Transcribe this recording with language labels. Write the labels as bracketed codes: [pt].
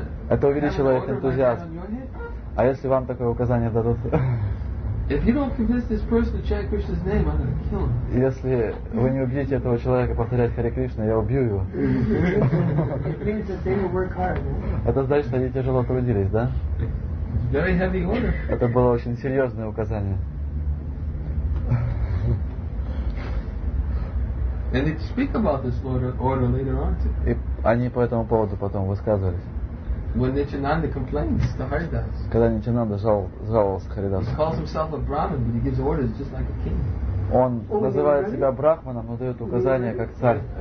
[ru] Это увеличило их энтузиазм. А если вам такое указание дадут? [en] If you don't convince this person to chant Krishna's name, I'm going to kill him. [ru] Если вы не убедите этого человека повторять Харе Кришна, я убью его. [en] It means that they will work hard. [ru] Это значит, что они тяжело трудились, да? [en] Very heavy order. [ru] Это было очень серьезное указание. [en] And they speak about this order later on. [ru] И они по этому поводу потом высказывались. [en] When Nityananda complains to Haridas. [ru] Когда Нитянанда жаловался Харидасу. [en] He calls himself a Brahmin, but he gives orders just like a king. [ru] Он называет себя Брахманом, но дает указания как царь.